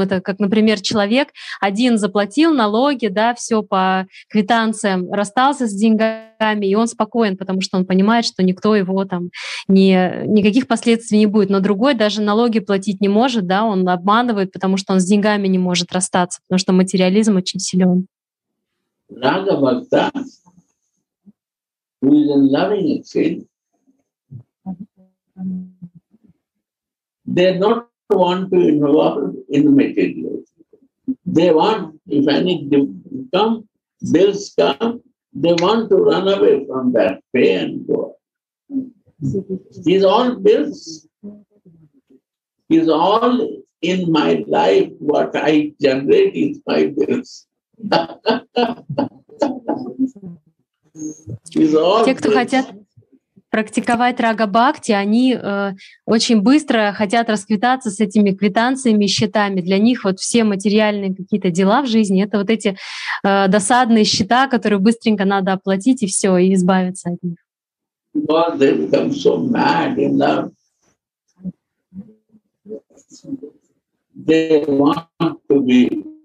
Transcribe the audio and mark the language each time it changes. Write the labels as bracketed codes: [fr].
[ru] Это как, например, человек один заплатил налоги, да, все по квитанциям, расстался с деньгами, и он спокоен, потому что он понимает, что никто его там, никаких последствий не будет. Но другой даже налоги платить не может, да, он обманывает, потому что он с деньгами не может расстаться, потому что материализм очень силен. [en] Raga Bhakta, who is in loving exchange, they don't want to involve in material. They want, if any come, bills come, they want to run away from that, pay and go. These all bills is all in my life, what I generate is my bills. [ru] Те, кто хотят практиковать рага-бхакти, они очень быстро хотят расквитаться с этими квитанциями, счетами. Для них вот все материальные какие-то дела в жизни — это вот эти досадные счета, которые быстренько надо оплатить, и все, и избавиться от них.